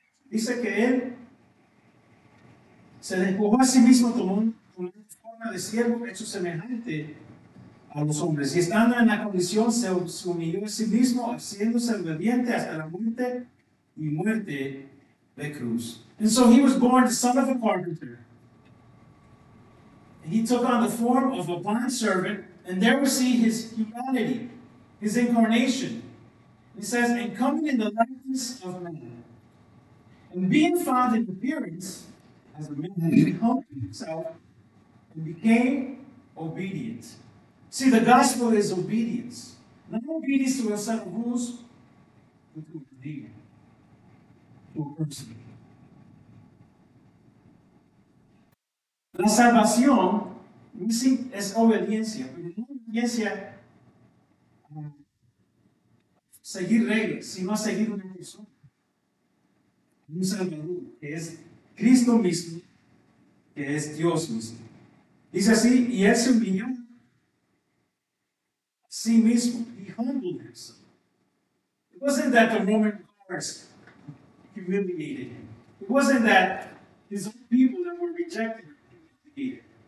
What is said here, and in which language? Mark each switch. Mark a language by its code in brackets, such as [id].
[es] Dice que él se despojó a sí mismo, tomó una forma de siervo hecho semejante a los hombres. Y estando en la condición, se humilló a sí mismo, haciéndose obediente hasta la muerte y muerte de cruz. [en] And so he was born the son of a carpenter. And he took on the form of a bond servant, and there we see his humanity, his incarnation. He says, and coming in the likeness of man, and being found in appearance as a man, he humbled himself and became obedient. See, the gospel is obedience. Not obedience to a set of rules, but to a believer, to a person. [es] La salvación, [en] we see, [es] es obediencia, pero no obediencia. Seguir reglas, sino a seguir una persona. Un Salvador, que es Cristo mismo, que es Dios mismo. Dice así, y él se humilló a sí mismo. [en] He humbled himself. It wasn't that the Roman guards humiliated him. It wasn't that his own people that were rejected humiliated.